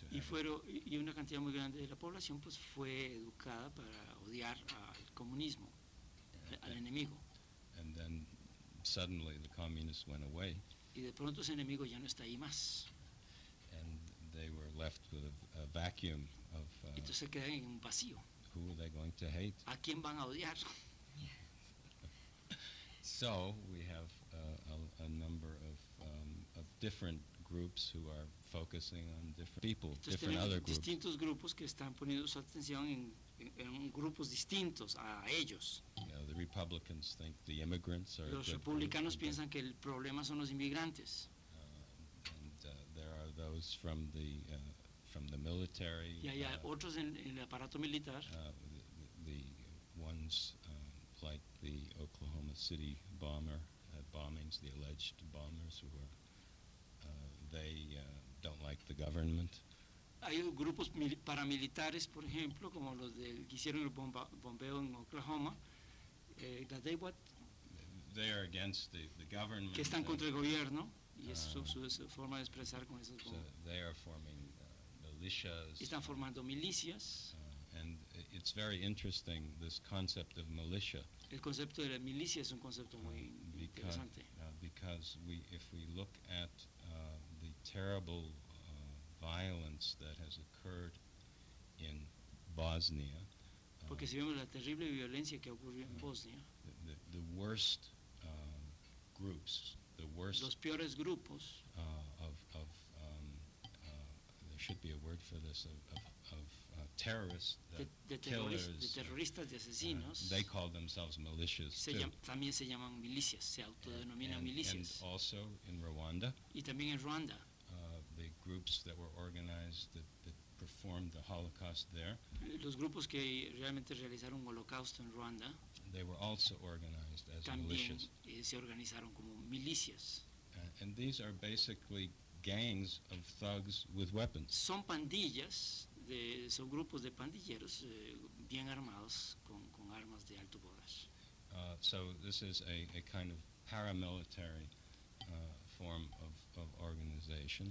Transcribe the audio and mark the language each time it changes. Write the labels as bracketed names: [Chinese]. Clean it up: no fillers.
[Spanish] Y una cantidad muy grande de la población pues fue educada para odiar al comunismo, al enemigo. [English] And then suddenly the communists went away. [Spanish] Y de pronto ese enemigo ya no está ahí más. [English] And they were left with a vacuum of. [Spanish] Entonces se quedan en un vacío. [English] Who are they going to hate? [Spanish] ¿A quién van a odiar? [English] So we have a number of different groups who are focusing on different people, different other groups. [Spanish] Distintos grupos que están poniendo su atención en grupos distintos a ellos. [English] You know, the Republicans think the immigrants are. [Spanish] Los republicanos piensan que el problema son los inmigrantes. [English] There are those from the military. [Spanish] Y hay otros en el aparato militar. [English] The ones like the Oklahoma City bomber. Bombings, the alleged bombers who were, they don't like the government. [Spanish] Hay grupos paramilitares, por ejemplo, como los del que hicieron el bombeo en Oklahoma. [English] They are against the government. [Spanish] Que están contra el gobierno. Y es su forma de expresar con esos bombos. [English] They are forming militias. [Spanish] Están formando milicias. [English] And it's very interesting, this concept of militia. [Spanish] El concepto de la milicia es un concepto muy interesante. [English] Because if we look at the terrible violence that has occurred in Bosnia. [Spanish] Porque si vemos la terrible violencia que ocurrió en Bosnia. [English] The worst groups, the worst. [Spanish] Los peores grupos. [English] There should be a word for this, terrorists, [Spanish] terroristas, de asesinos. [English] They call themselves militias. [Spanish] También se llaman milicias, se autodenominan milicias. [English] And also in Rwanda. [Spanish] Y también en Ruanda. [English] The groups that were organized that performed the Holocaust there. [Spanish] Los grupos que realmente realizaron un holocausto en Ruanda. [English] They were also organized as militias. [Spanish] También se organizaron como milicias. [English] And these are basically gangs of thugs with weapons. [Spanish] Son pandillas. Son grupos de pandilleros bien armados con armas de alto poder. [English] So this is a kind of paramilitary form of organization.